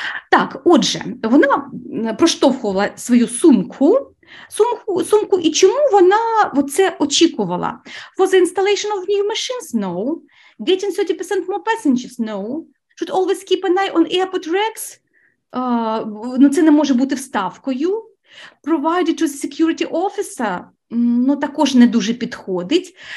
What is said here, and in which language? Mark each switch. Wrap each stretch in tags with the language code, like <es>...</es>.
<uk>Так, отже, вона проштовхувала свою сумку, і чому вона це очікувала?</uk> <en>For the installation of new machines? No. Getting 30% more passengers? No. Should always keep an eye on airport racks?</en> <uk>Ну, це не може бути вставкою.</uk> <en>Provided to the security officer?</en> <uk>Ну, також не дуже підходить.</uk>